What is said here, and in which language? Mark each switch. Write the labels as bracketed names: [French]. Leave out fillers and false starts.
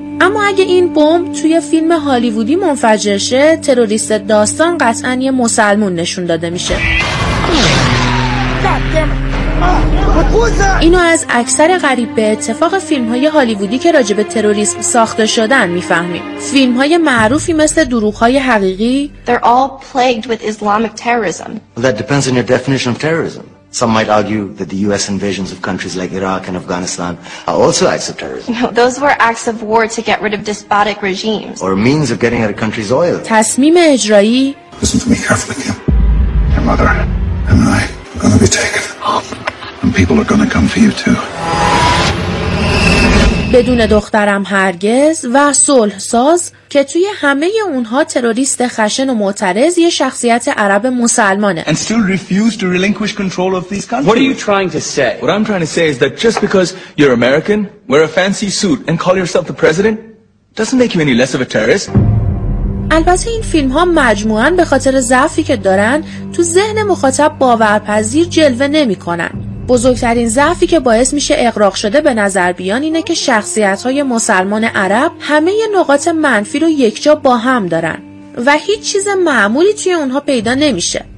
[Persian] اما اگه این بمب توی فیلم هالیوودی منفجر شه، تروریست داستان قطعاً یه مسلمان نشون داده میشه. اینو از اکثر غریب به اتفاق فیلم‌های هالیوودی که راجع به تروریسم ساخته شدن می‌فهمیم. فیلم‌های معروفی مثل دروغ‌های حقیقی [English] They're all plagued with Islamic terrorism. Well, that depends on your definition of terrorism. Some might argue that the US invasions of countries like Iraq and Afghanistan are also acts of terrorism. No, those were acts of war to get rid of despotic regimes or means of getting at a country's oil. [Persian] تصمیم اجرایی [English] Listen to me carefully, Kim. Your mother and I are going to be taken. And people are going to come for you too. [Persian] بدون دخترم هرگز و صلح‌ساز که توی همه اونها تروریست خشن و معترض یه شخصیت عرب مسلمانه. [English] And still refuse to relinquish control of these countries. What are you trying to say? What I'm trying to say is that just because you're American, wear a fancy suit and call yourself the president doesn't make you any less of a terrorist. [Persian] البته این فیلم ها مجموعاً به خاطر ضعفی که دارن تو ذهن مخاطب باورپذیر جلوه نمی کنن. بزرگترین ضعفی که باعث میشه اغراق شده به نظر بیان اینه که شخصیت‌های مسلمان عرب همه ی نقاط منفی رو یکجا با هم دارن و هیچ چیز معمولی توی اونها پیدا نمیشه.